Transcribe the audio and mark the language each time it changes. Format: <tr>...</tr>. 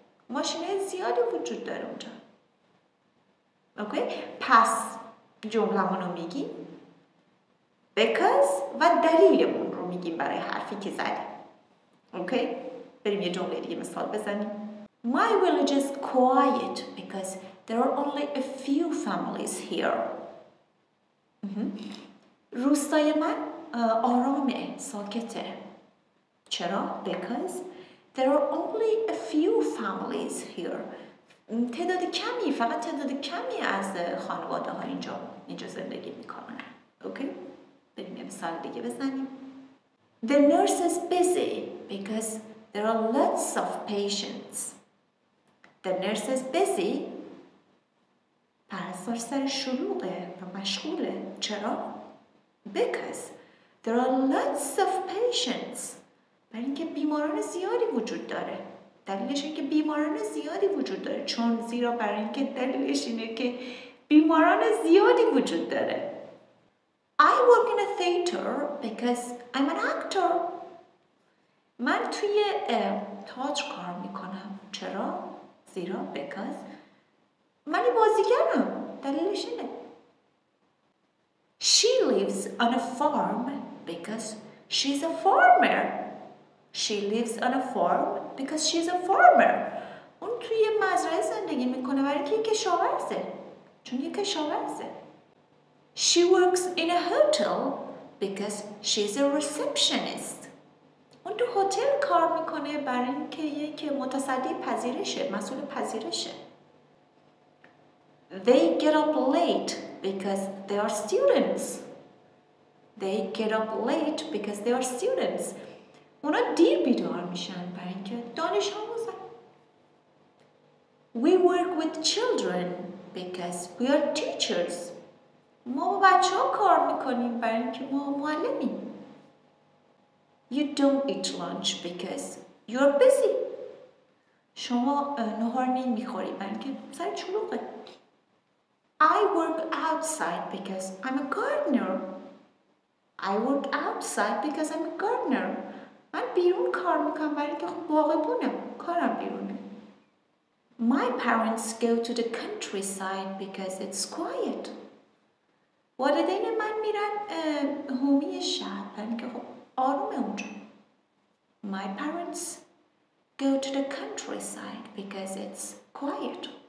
<fa>ماشین‌های زیادی وجود داره اونجا. اوکی؟ پس جمله‌مون رو میگیم. Because و دلیلمون رو میگیم برای حرفی که زدیم. اوکی؟ بریم یه جمله دیگه مثال بزنیم.</fa> <en>My village is quiet because there are only a few families here.</en> <fa>روستای من آرامه، ساکته. چرا؟</fa> <en>Because there are only a few families here.</en> <fa>تعداد کمی، فقط تعداد کمی از خانواده ها اینجا زندگی میکنن. اوکی؟ بریم مثال دیگه بزنیم.</fa> <en>The nurse is busy because there are lots of patients. The nurse is busy.</en> <fa>پرستار سر شلوغه و مشغوله. چرا؟</fa> <en>Because there are lots of patients.</en> <fa>برای اینکه بیماران زیادی وجود داره. دلیلش اینه که بیماران زیادی وجود داره. چون زیرا برای اینکه دلیلش اینه که بیماران زیادی وجود داره.</fa> <en>I work in a theater because I'm an actor.</en> <fa>من توی تئاتر کار میکنم. چرا؟ زیرا because من بازیگرم. دلیلش اینه.</fa> <en>She lives on a farm because she's a farmer. She lives on a farm because she's a farmer.</en> <fa>اون توی مزرعه زندگی میکنه برای که کشاورزه. چون یک کشاورزه.</fa> <en>She works in a hotel because she's a receptionist.</en> <fa>اون تو هتل کار میکنه برای اینکه یک متصدی پذیرشه، مسئول پذیرشه.</fa> <en>They get up late because they are students. They get up late because they are students.</en> <fa>اونا دیر بیدار میشن برای اینکه دانش آموزن.</fa> <en>We work with children because we are teachers.</en> <fa>ما با بچه ها کار میکنیم برای اینکه ما معلمیم.</fa> <en>You don't eat lunch because you're busy.</en> <fa>شما نهار نمیخوری بلکه سر چلوغه.</fa> <en>I work outside because I'm a gardener. I work outside because I'm a gardener.</en> <fa>من بیرون کار میکنم بلکه باغبونم. کارم بیرونه.</fa> <en>My parents go to the countryside because it's quiet.</en> <fa>والدین من میرن حومی شهر بلکه آرومه اونجا. ما</fa> <en>my parents go to the countryside because it's quiet.</en>